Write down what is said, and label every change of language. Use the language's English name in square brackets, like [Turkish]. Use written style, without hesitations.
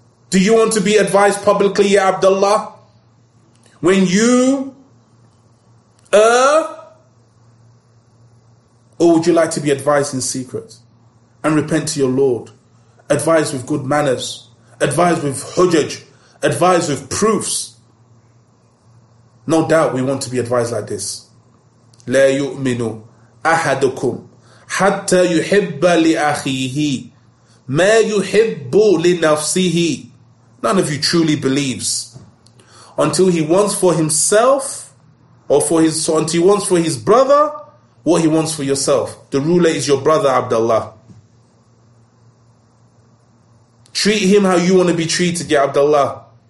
[English] Do you want to be advised publicly, Ya Abdullah? When you or would you like to be advised in secret and repent to your Lord? Advised with good manners, advised with hujjaj, advised with proofs. No doubt we want to be advised like this. [Arabic] لا يؤمن أحدكم حتى يحب لأخيه ما يحب لنفسه. [English] None of you truly believes until he wants for himself until he wants for his brother what he wants for yourself. The ruler is your brother, Abdullah. Treat him how you want to be treated, Ya Abdullah.